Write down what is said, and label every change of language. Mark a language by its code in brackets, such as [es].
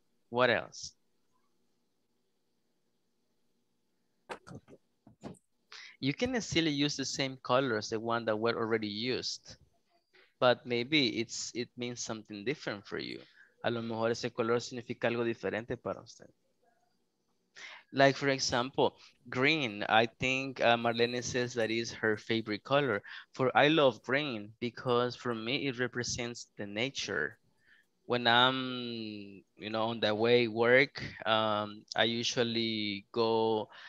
[en] What else? You can still use the same color as the one that were already used, but maybe it means something different for you. [es] A lo mejor ese color significa algo diferente para usted. [en] Like for example, green. I think Marlene says that is her favorite color. For I love green because for me it represents the nature. When I'm, you know, on the way work, I usually go.